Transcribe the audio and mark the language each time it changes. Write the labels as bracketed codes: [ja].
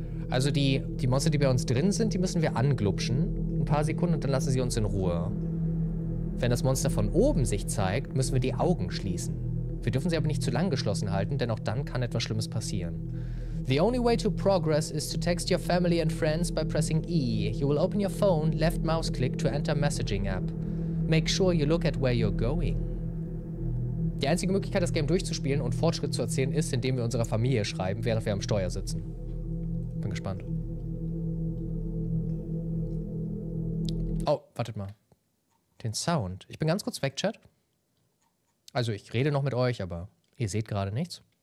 [de] Also die Monster, die bei uns drin sind, die müssen wir anglubschen. Ein paar Sekunden und dann lassen sie uns in Ruhe. Wenn das Monster von oben sich zeigt, müssen wir die Augen schließen. Wir dürfen sie aber nicht zu lang geschlossen halten, denn auch dann kann etwas Schlimmes passieren. [en] The only way to progress is to text your family and friends by pressing E. You will open your phone, left mouse click to enter messaging app. Make sure you look at where you're going. [de] Die einzige Möglichkeit, das Game durchzuspielen und Fortschritt zu erzielen, ist, indem wir unserer Familie schreiben, während wir am Steuer sitzen. Bin gespannt. Oh, wartet mal. Den Sound. Ich bin ganz kurz weg, Chat. Also, ich rede noch mit euch, aber ihr seht gerade nichts.